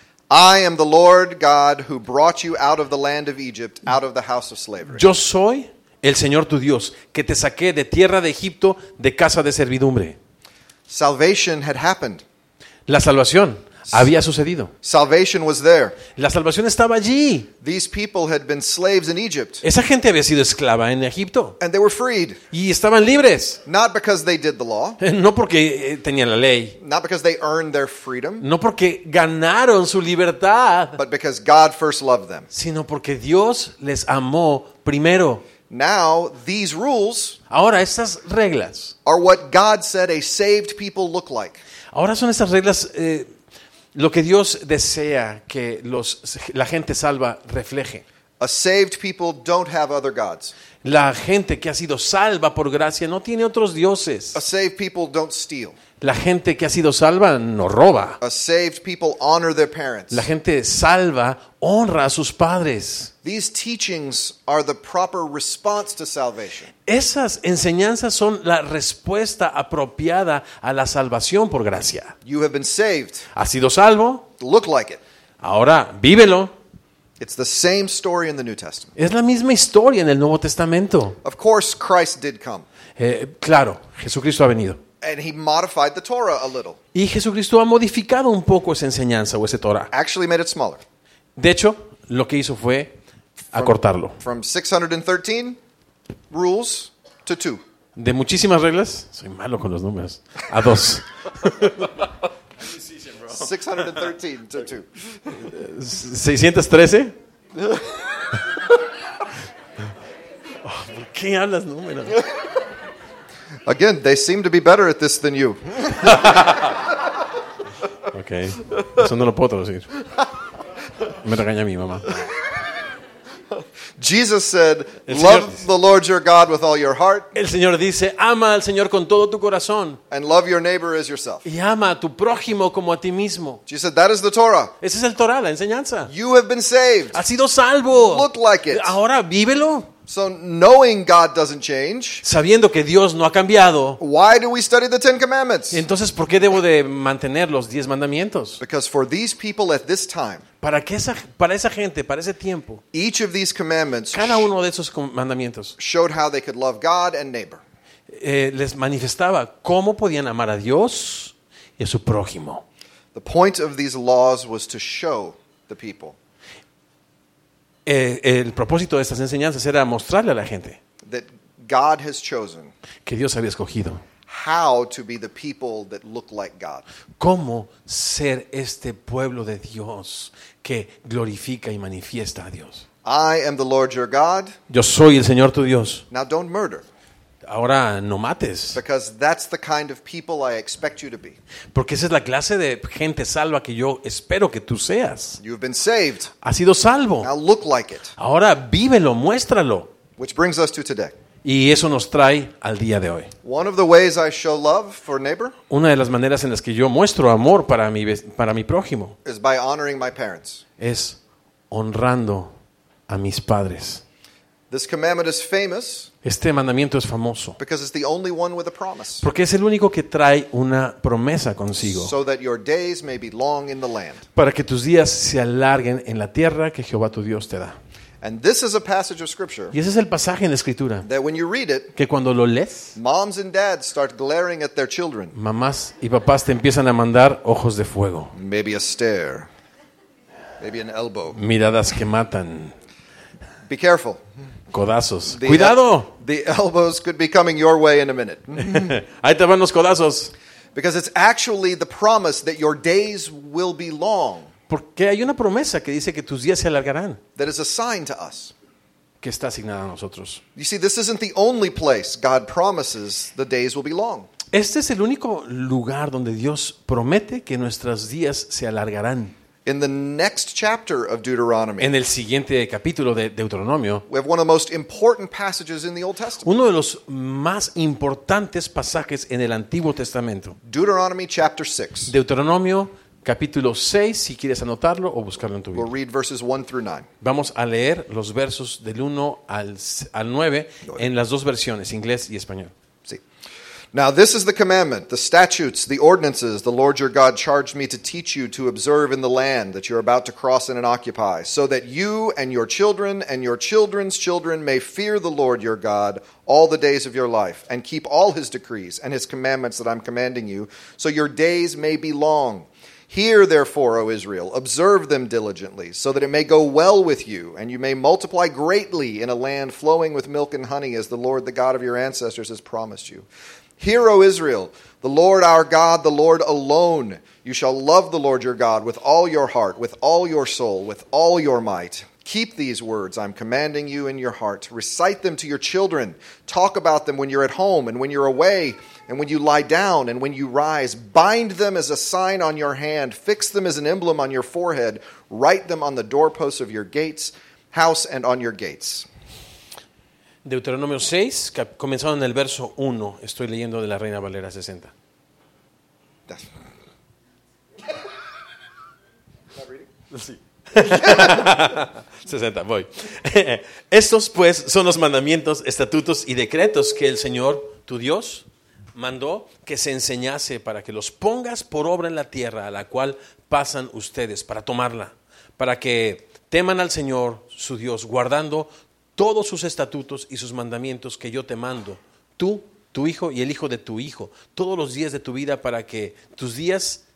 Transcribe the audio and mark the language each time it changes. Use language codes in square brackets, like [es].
[en] I am the Lord God who brought you out of the land of Egypt, out of the house of slavery. [es] Yo soy el Señor tu Dios que te saqué de tierra de Egipto, de casa de servidumbre. [en] Salvation had happened. [es] La salvación había sucedido. [en] Salvation was there. [es] La salvación estaba allí. [en] These people had been slaves in Egypt. [es] Esa gente había sido esclava en Egipto. [en] And they were freed. [es] Y estaban libres. [en] Not because they did the law. [es] No porque tenían la ley. [en] Not because they earned their freedom. [es] No porque ganaron su libertad. [en] But because God first loved them. [es] Sino porque Dios les amó primero. [en] Now these rules. [es] Ahora estas reglas. [en] Are what God said a saved people look like. [es] Ahora son estas reglas. Lo que Dios desea que la gente salva refleje. [en] A saved people don't have other gods. [es] La gente que ha sido salva por gracia no tiene otros dioses. [en] A saved people don't steal. [es] La gente que ha sido salva no roba. [en] A saved people honor their parents. [es] La gente salva honra a sus padres. [en] These teachings are the proper response to salvation. [es] Esas enseñanzas son la respuesta apropiada a la salvación por gracia. [en] You have been saved. [es] Has sido salvo. [en] Look like it. [es] Ahora, vívelo. [en] It's the same story in the New Testament. [es] Es la misma historia en el Nuevo Testamento. [en] Of course, Christ did come. [es] Claro, Jesucristo ha venido. [en] And he modified the Torah a little. [es] Y Jesucristo ha modificado un poco esa enseñanza o ese Torah. [en] Actually made it smaller. [es] De hecho, lo que hizo fue acortarlo. [en] From 613 rules to 2. [es] De muchísimas reglas. Soy malo con los números. A dos. [en] 613 to 2. [es] 613. ¿Por qué hablas números? [en] Again, they seem to be better at this than you. [es] Okay. Eso no lo puedo traducir. Me regaña mi mamá. [en] Jesus said, "Love the Lord your God with all your heart." [es] El Señor dice, ama al Señor con todo tu corazón. [en] And love your neighbor as yourself. [es] Y ama a tu prójimo como a ti mismo. [en] Jesus said, "That is the Torah." [es] Ese es el Torah, la enseñanza. [en] You have been saved. [es] Has sido salvo. [en] Look like it. [es] Ahora vívelo. [en] So knowing God doesn't change. [es] Sabiendo que Dios no ha cambiado. [en] Why do we study the Ten Commandments? [es] Entonces, ¿por qué debo de mantener los 10 mandamientos? [en] Because for these people at this time. [es] Para esa gente, para ese tiempo. [en] Each of these commandments. [es] Cada uno de esos mandamientos. [en] Showed how they could love God and neighbor. [es] Les manifestaba cómo podían amar a Dios y a su prójimo. [en] The point of these laws was to show the people. [es] El propósito de estas enseñanzas era mostrarle a la gente [en] that God has chosen [es] que Dios había escogido [en] how to be the people that look like God. [es] Cómo ser este pueblo de Dios que glorifica y manifiesta a Dios. [en] I am the Lord your God. [es] Yo soy el Señor tu Dios. [en] Now don't murder. [es] Ahora no mates. [en] Because that's the kind of people I expect you to be. [es] Porque esa es la clase de gente salva que yo espero que tú seas. [en] You've been saved. [es] Has sido salvo. [en] Now look like it. [es] Ahora vívelo, muéstralo. [en] Which brings us to today. [es] Y eso nos trae al día de hoy. [en] One of the ways I show love for neighbor. [es] Una de las maneras en las que yo muestro amor para mi prójimo. [en] Is by honoring my parents. [es] Es honrando a mis padres. [en] This commandment is famous. [es] Este mandamiento es famoso. [en] Because it's the only one with a promise. [es] Porque es el único que trae una promesa consigo. [en] So that your days may be long in the land. [es] Para que tus días se alarguen en la tierra que Jehová tu Dios te da. [en] And this is a passage of scripture. [es] Y ese es el pasaje en la escritura. [en] That when you read it, [es] que cuando lo lees, [en] moms and dads start glaring at their children. [es] Mamás y papás te empiezan a mandar ojos de fuego. [en] Maybe a stare. Maybe an elbow. [es] Miradas que matan. [en] Be careful. [es] Codazos. Cuidado. [en] The elbows could be coming your way in a minute. [es] Ahí te van los codazos. [en] Because it's actually the promise that your days will be long. [es] Porque hay una promesa que dice que tus días se alargarán. [en] That is assigned to us. [es] Que está asignada a nosotros. [en] You see, this isn't the only place God promises the days will be long. [es] Este es el único lugar donde Dios promete que nuestros días se alargarán. [en] In the next chapter of Deuteronomy. [es] En el siguiente capítulo de Deuteronomio. [en] We have one of the most important passages in the Old Testament. [es] Uno de los más importantes pasajes en el Antiguo Testamento. [en] Deuteronomy chapter 6. [es] Deuteronomio capítulo 6, si quieres anotarlo o buscarlo en tu Biblia. [en] We'll read verses 1 through 9. [es] Vamos a leer los versos del 1 al 9 en las dos versiones, inglés y español. [en] Now this is the commandment, the statutes, the ordinances the Lord your God charged me to teach you to observe in the land that you're about to cross in and occupy, so that you and your children's children may fear the Lord your God all the days of your life and keep all his decrees and his commandments that I'm commanding you, so your days may be long. Hear, therefore, O Israel, observe them diligently, so that it may go well with you, and you may multiply greatly in a land flowing with milk and honey, as the Lord, the God of your ancestors, has promised you. Hear, O Israel, the Lord our God, the Lord alone. You shall love the Lord your God with all your heart, with all your soul, with all your might. Keep these words I'm commanding you in your heart. Recite them to your children. Talk about them when you're at home and when you're away and when you lie down and when you rise. Bind them as a sign on your hand. Fix them as an emblem on your forehead. Write them on the doorposts of your gates, house and on your gates. [es] Deuteronomio 6, comenzando en el verso 1, estoy leyendo de la Reina Valera 60. Sí. 60, voy. Estos, pues, son los mandamientos, estatutos y decretos que el Señor, tu Dios, mandó que se enseñase para que los pongas por obra en la tierra a la cual pasan ustedes para tomarla, para que teman al Señor, su Dios, guardando todos sus estatutos y sus mandamientos que yo te mando, tú, tu hijo y el hijo de tu hijo, todos los días de tu vida para que tus días